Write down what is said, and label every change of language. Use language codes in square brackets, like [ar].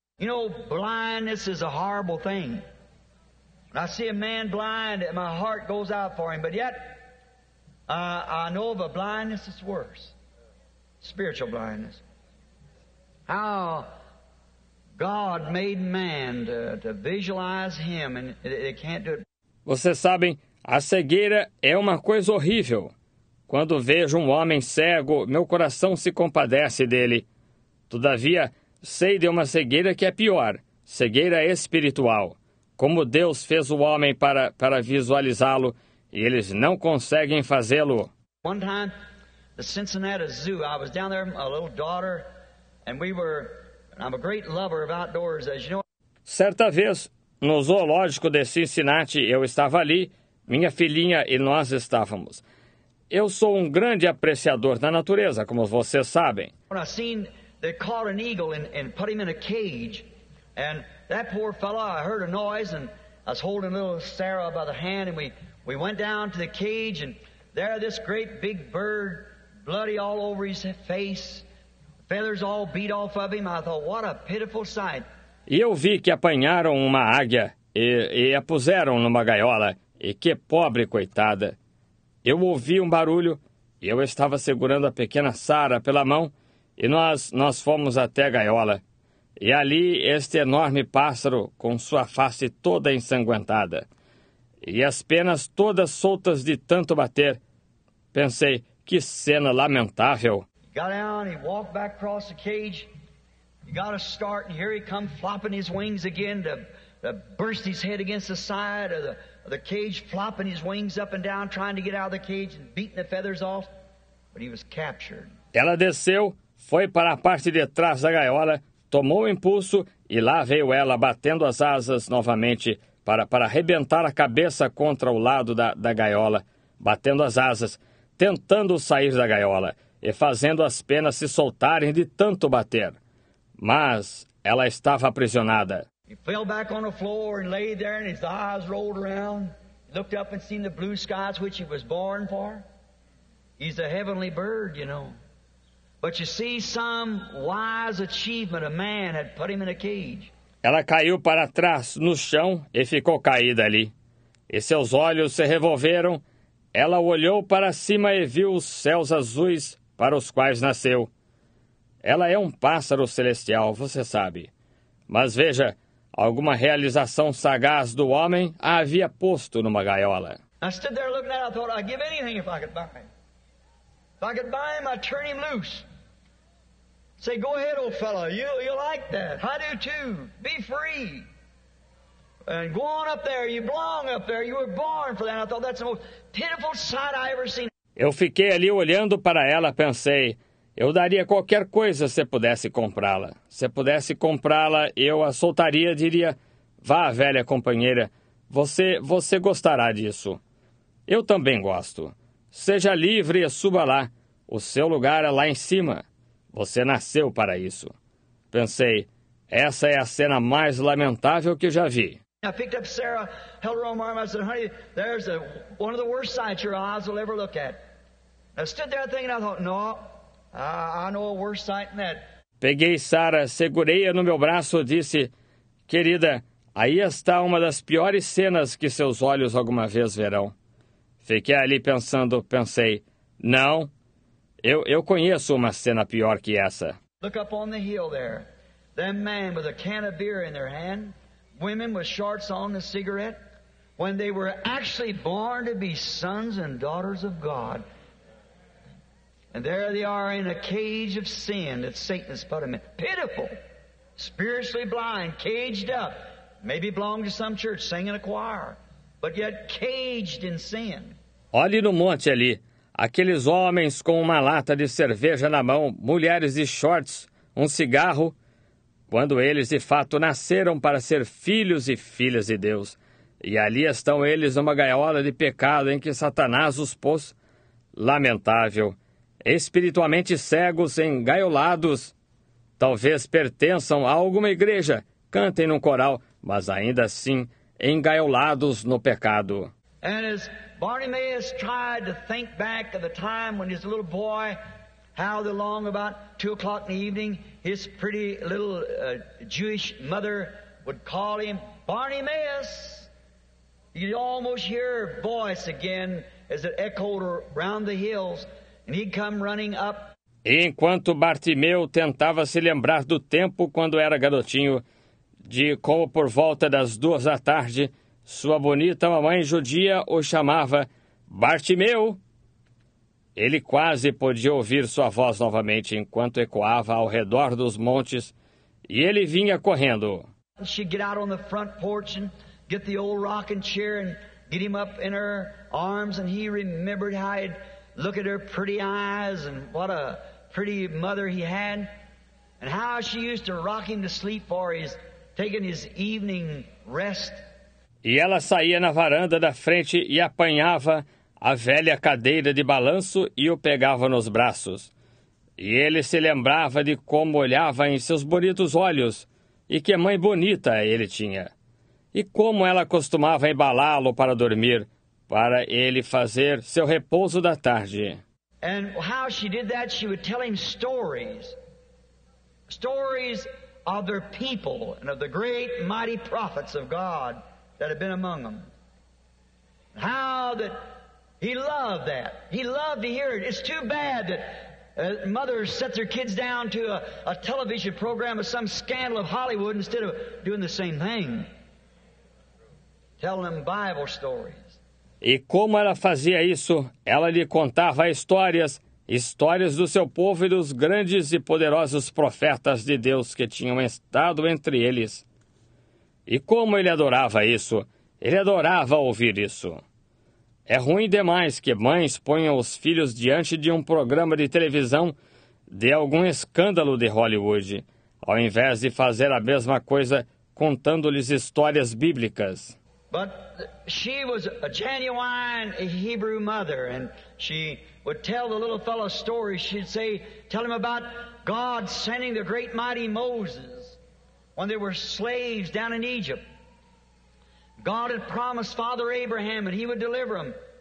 [en] You know, blindness is a horrible thing. When I see a man blind, my heart goes out for him, but yet I know of a blindness that's worse, spiritual blindness. How God made man to visualize him, and they can't do it. [pt] Vocês sabem, a cegueira é uma coisa horrível. Quando vejo um homem cego, meu coração se compadece dele. Todavia, sei de uma cegueira que é pior, cegueira espiritual. Como Deus fez o homem para visualizá-lo, e eles não conseguem fazê-lo. [en] One time, the Cincinnati Zoo, I was down there, a little daughter, and I'm a great lover of outdoors, as you know. [pt] Certa vez, no zoológico de Cincinnati, eu estava ali, minha filhinha e nós estávamos. Eu sou um grande apreciador da natureza, como vocês sabem. Quando eu vi, eles pegaram um eagle e colocaram ele em uma cage. E aquele pobre fellow, eu ouvi um noise, e eu estava segurando a Sarah pela mão, e nós fomos [en] down to the cage, [pt] e lá era esse grande [en] big bird, bloody all over his face, feathers all beat off of him. I thought, what a pitiful sight. [pt] E eu vi que apanharam uma águia e a puseram numa gaiola. E que pobre coitada. Eu ouvi um barulho e eu estava segurando a pequena Sarah pela mão e nós fomos até a gaiola. E ali este enorme pássaro com sua face toda ensanguentada e as penas todas soltas de tanto bater. Pensei, que cena lamentável. [en] Got down, he walked back across the cage. He got a start, and here he come flopping his wings again to burst his head against the side of the cage, flopping his wings up and down, trying to get out of the cage and beating the feathers off, but he was captured. [pt] Ela desceu, foi para a parte de trás da gaiola, tomou o impulso, e lá veio ela batendo as asas novamente para arrebentar a cabeça contra o lado da gaiola, batendo as asas, tentando sair da gaiola e fazendo as penas se soltarem de tanto bater. Mas ela estava aprisionada. [en] He fell back on the floor and lay there, and his eyes rolled around. He looked up and seen the blue skies which he was born for. He's a heavenly bird, you know. But you see, some wise achievement a man had put him in a cage. [pt] Ela caiu para trás no chão e ficou caída ali. E seus olhos se revolveram. Ela olhou para cima e viu os céus azuis para os quais nasceu. Ela é um pássaro celestial, você sabe. Mas veja, alguma realização sagaz do homem a havia posto numa gaiola. [en] I stood there looking at it, I thought, I'd give anything if I could buy him. If I could buy him, I'd turn him loose. Say, go ahead, old fellow, you like that. I do too. Be free. And go on up there, you belong up there, you were born for that. And I thought, that's the most pitiful sight I ever seen. [pt] Eu fiquei ali olhando para ela, pensei, eu daria qualquer coisa se pudesse comprá-la. Se pudesse comprá-la, eu a soltaria, diria, vá, velha companheira, você gostará disso. Eu também gosto. Seja livre e suba lá. O seu lugar é lá em cima. Você nasceu para isso. Pensei, essa é a cena mais lamentável que já vi. [en] I picked up Sarah, held her on my arm, I said, honey, there's one of the worst sights your eyes will ever look at. I stood there thinking, I thought, no. I know a worse sight than that. [pt] Peguei Sarah, segurei-a no meu braço e disse, querida, aí está uma das piores cenas que seus olhos alguma vez verão. Fiquei ali pensando, pensei, não, eu conheço uma cena pior que essa. [en] Look up on the hill there. Them men with a can of beer in their hand, women with shorts on the cigarette, when they were actually born to be sons and daughters of God. And there they are in a cage of sin that Satan has put them in. Pitiful spiritually blind, caged up, maybe belong to some church, sang in a choir, but yet caged in sin. [pt] Olhe no monte ali, aqueles homens com uma lata de cerveja na mão, mulheres de shorts, um cigarro, quando eles de fato nasceram para ser filhos e filhas de Deus. E ali estão eles numa gaiola de pecado em que Satanás os pôs. Lamentável. Espiritualmente cegos, engaiolados. Talvez pertençam a alguma igreja, cantem num coral, mas ainda assim engaiolados no pecado. [en] And as Bartimaeus tried to think back of the time when his little boy howled along about 2 o'clock in the evening, his pretty little Jewish mother would call him, Bartimaeus. You'd almost hear her voice again as it echoed around the hills, and he'd come running up. [pt] E enquanto Bartimeu tentava se lembrar do tempo quando era garotinho, de como por volta das 2 da tarde, sua bonita mamãe judia o chamava Bartimeu. Ele quase podia ouvir sua voz novamente enquanto ecoava ao redor dos montes, e ele vinha correndo. [en] She'd get out on the front porch and get the old rocking chair and get him up in her arms, and he remembered how he'd look at her pretty eyes and what a pretty mother he had, and how she used to rock him to sleep for his taking his evening rest. [pt] E ela saía na varanda da frente e apanhava a velha cadeira de balanço e o pegava nos braços. E ele se lembrava de como olhava em seus bonitos olhos e que mãe bonita ele tinha. E como ela costumava embalá-lo para dormir, para ele fazer seu repouso da tarde. [en] And how she did that, she would tell him stories. Stories of their people and of the great mighty prophets of God that had been among them. How that he loved that. He loved to hear it. It's too bad that mothers set their kids down to a television program of some scandal of Hollywood instead of doing the same thing. Telling them Bible stories. [pt] E como ela fazia isso, ela lhe contava histórias do seu povo e dos grandes e poderosos profetas de Deus que tinham estado entre eles. E como ele adorava isso, ele adorava ouvir isso. É ruim demais que mães ponham os filhos diante de um programa de televisão de algum escândalo de Hollywood, ao invés de fazer a mesma coisa contando-lhes histórias bíblicas. [en] But she was a genuine Hebrew mother, and she would tell the little fellow stories. She'd say, tell him about God sending the great mighty Moses when they were slaves down in Egypt. God had promised Father Abraham and he would deliver him.